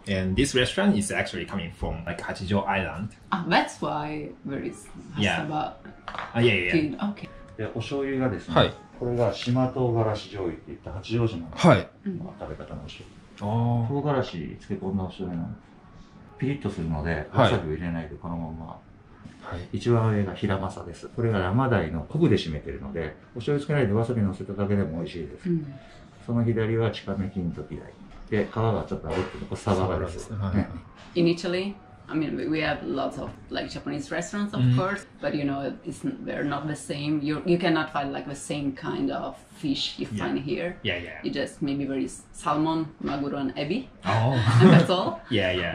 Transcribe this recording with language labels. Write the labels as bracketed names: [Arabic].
[English] And this restaurant is actually coming from like Hachijo Island. Ah, that's why there is Hachijo. Yeah. Okay. [Japanese] で、お醤油がですね、はい、これが島唐辛子醤油って言った八丈島の、はい、食べ方のお醤油。ああ。唐辛子漬け込んだお醤油なの。ピリッとするので、わさびを入れないでこのまま、はい、一番上がヒラマサです。これがラマダイの昆布で締めてるので、お醤油つけないでわさび乗せただけでも美味しいです。うん、その左はチカメキンとピダイ。で、皮がちょっと炙ってるのがサバガです。 [English] In Italy, I mean, we have lots of like Japanese restaurants, of course, but you know, they're not the same. You cannot find like the same kind of fish you find here. Yeah, yeah. You just maybe there is salmon, maguro, and ebi. Oh. And that's all. Yeah, yeah.